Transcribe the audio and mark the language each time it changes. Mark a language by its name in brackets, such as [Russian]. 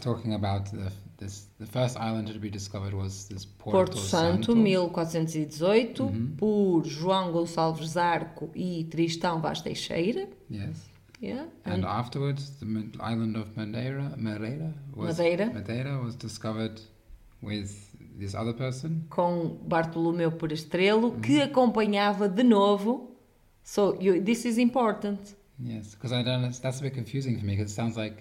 [English] Talking about the first island to be discovered was this Porto Santo, 1418, mm-hmm. [Portuguese] por João Gonçalves Zarco e Tristão Vaz Teixeira. [English] Yes. Yeah. And afterwards, the island of Madeira was discovered with this other person. [Portuguese] Com Bartolomeu por Estrelo, mm-hmm. que acompanhava de novo. [English] So you, this is important. Yes, because I don't know, that's a bit confusing for me, because it sounds like...